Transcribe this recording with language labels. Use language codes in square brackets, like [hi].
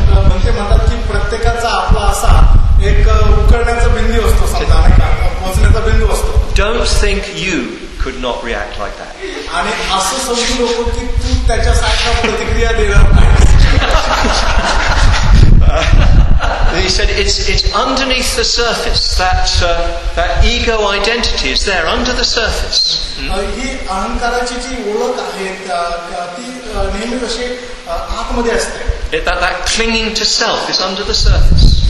[mr] भंते म्हणतात की प्रत्येकाचा आपला असा एक उकळण्याचा बिंदू असतो समजा पोहोचण्याचा बिंदू असतो. [en] Don't think you could not react like that. [mr] आणि असं समजू नको की तू त्याच्या सारख्या प्रतिक्रिया देणार नाहीस. [en] He said it's underneath the surface that ego identity is there under the surface. [mr] He ahankaraachi ji olakh ahe ti nehmi kashe aat madhe aste. [en] It that clinging to self is under the surface.